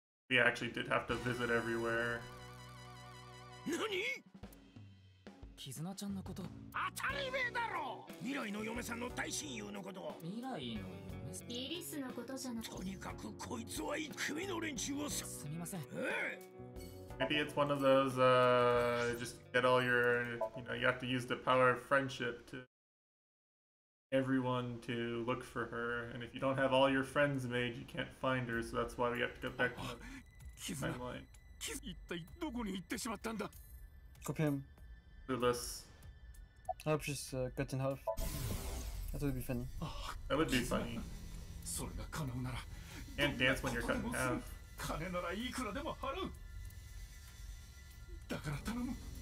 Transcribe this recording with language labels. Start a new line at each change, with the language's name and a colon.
English: We actually did have to visit everywhere.
Japanese: 何？キズナちゃんのこと当たり前だろ。未来の嫁さんの大親友のこと。未来の嫁さん、イリスのことじゃない。とにかくこいつは組の連中を。すみません。
English: Maybe it's one of those just get all your, you know, you have to use the power of friendship to everyone to look for her, and if you don't have all your friends made, you can't find her, so that's why we have to go back to the timeline.
Japanese: キズナ、一体どこに行ってしまったんだ。コピン。
English: This. I hope she's cut in half. That would be funny. That would be funny.
Japanese: それが可能なら。
English: And dance when you're cut in half.
Japanese: 金ならいくらでも払う。だから頼む。